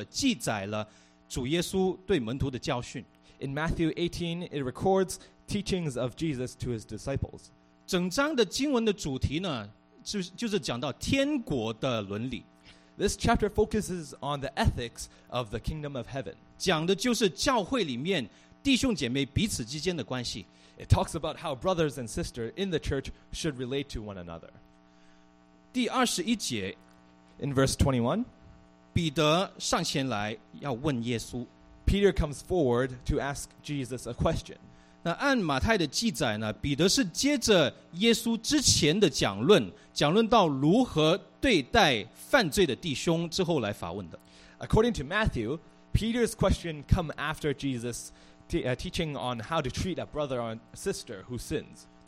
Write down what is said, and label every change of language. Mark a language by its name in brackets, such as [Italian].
[Chinese] 马太福音18章我们刚才读过了记载了主耶稣对门徒的教训。 [English] In Matthew 18, it records teachings of Jesus to his disciples. [Chinese] 整章的经文的主题呢，就是讲到天国的伦理。 [English] This chapter focuses on the ethics of the kingdom of heaven. [Chinese] 讲的就是教会里面弟兄姐妹彼此之间的关系。 [English] It talks about how brothers and sisters in the church should relate to one another. [Chinese] 第21节, [English] in verse 21, [Chinese] 彼得上前来要问耶稣。 [English] Peter comes forward to ask Jesus a question. [Chinese] 那按马太的记载呢, 彼得是接着耶稣之前的讲论，讲论到如何对待犯罪的弟兄之后来发问的。 [English] According to Matthew, Peter's question come after Jesus teaching on how to treat a brother or sister who sins.